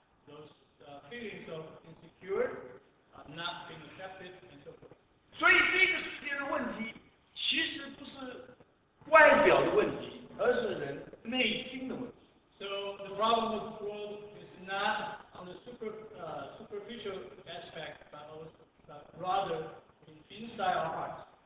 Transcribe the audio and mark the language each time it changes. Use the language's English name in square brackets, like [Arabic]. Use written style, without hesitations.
[English] Those feelings of insecure, not being accepted, and so forth. [Chinese] 所以这个世界的问题其实不是外表的问题，而是人内心的问题。 [English] So the problem of the world is not on the super, superficial aspect, but rather inside our hearts.